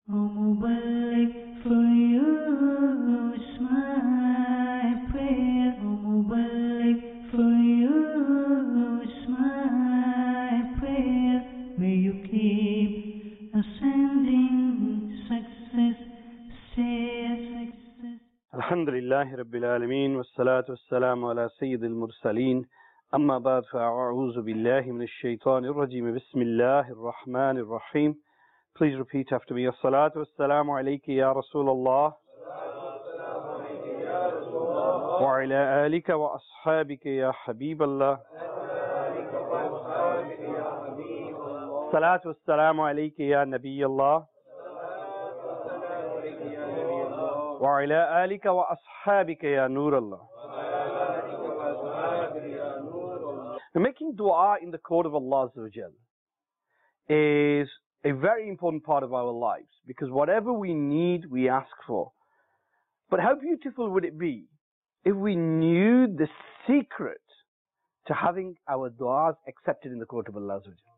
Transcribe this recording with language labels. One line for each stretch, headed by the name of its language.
English: Mubarak for you, it's my prayer. Oh, Mubarak for you, it's my prayer. May you keep ascending success, share success.
Arabic: Alhamdulillahi Rabbil Alameen, wa salatu wa salamu ala Sayyidil Mursaleen. أما بعد فأعوذ بالله من الشيطان الرجيم بسم الله الرحمن الرحيم.
English: Please repeat after me.
Arabic: الصلاة والسلام عليك يا رسول الله وعلى آلك وأصحابك يا حبيب الله. الصلاة والسلام عليك يا نبي الله وعلى آلك وأصحابك يا نور الله.
English: Now, making dua in the court of Allah Azzawajal is a very important part of our lives, because whatever we need, we ask for. But how beautiful would it be if we knew the secret to having our du'as accepted in the court of Allah Azzawajal?